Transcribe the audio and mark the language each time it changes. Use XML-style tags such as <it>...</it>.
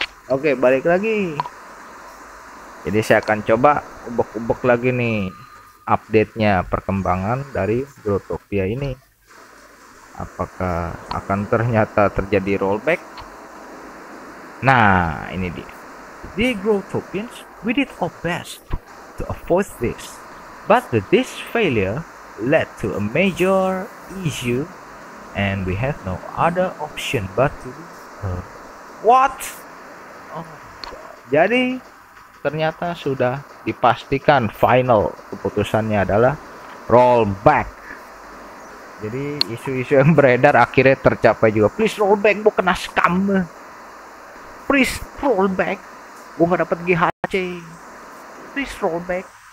<id>Oke balik lagi. Jadi saya akan coba ubek-ubek lagi nih update-nya, perkembangan dari Grotopia ini. Apakah akan ternyata terjadi rollback? Nah ini dia.</id> <en>The Grotopians, we did our best to avoid this. But the disk failure led to a major issue and we have no other option but to what?</en> <id>Oh, jadi ternyata sudah dipastikan final keputusannya adalah rollback. Jadi isu-isu yang beredar akhirnya tercapai juga.</id> <en>Please rollback,</en> <id>gue kena scam. Please rollback, gue gak dapet GHC. Please rollback.</id>